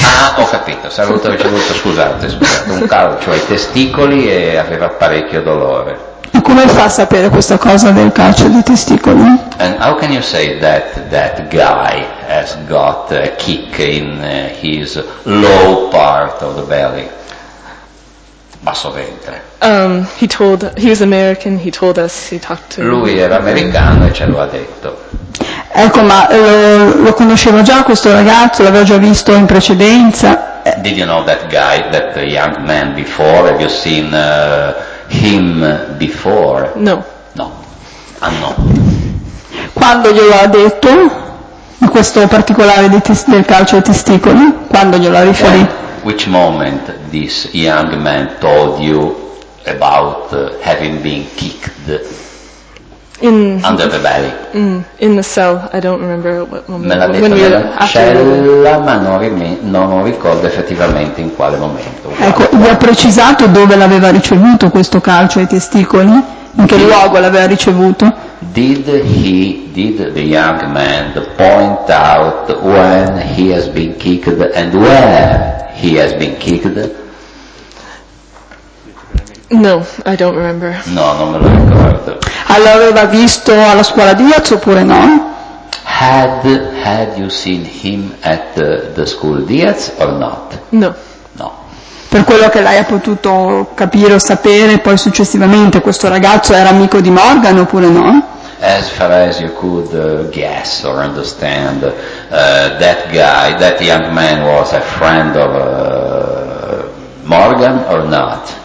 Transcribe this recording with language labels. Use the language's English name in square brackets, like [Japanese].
[Italian] Ah, ho capito, se avuto ricevuto, scusate, un calcio ai testicoli e aveva parecchio dolore. E come fa a sapere questa cosa del calcio dei testicoli? [English] And how can you say that that guy has got a kick in his low part of the belly? [Italian] Basso ventre. [English] He was American, he told us, he talked to... [Italian] Lui era americano e ce lo ha detto. Ecco, ma lo conoscevo già questo ragazzo, l'avevo già visto in precedenza. [English] Did you know that guy, that young man before? Have you seen him before? No. No. Ah no. [Italian] Quando glielo ha detto, in questo particolare del calcio ai testicoli, quando glielo ha riferito? [English] Which moment this young man told you about having been kicked in under the belly? In the cell, I don't remember what moment. [Italian] Me l'ha detto [English] when [Italian] nella cella, ma non ricordo effettivamente in quale momento. Ecco, vi ha precisato dove l'aveva ricevuto questo calcio ai testicoli? In che luogo l'aveva ricevuto? [English] Did the young man point out when he has been kicked and where he has been kicked? No, I don't remember. [Italian] No, non me lo ricordo. L'aveva visto alla scuola Diaz oppure no? [English] Had you seen him at the school Diaz or not? No. [Italian] No. Per quello che lei ha potuto capire o sapere, poi successivamente, questo ragazzo era amico di Morgan oppure no? [English] As far as you could guess or understand, that guy, that young man was a friend of Morgan or not?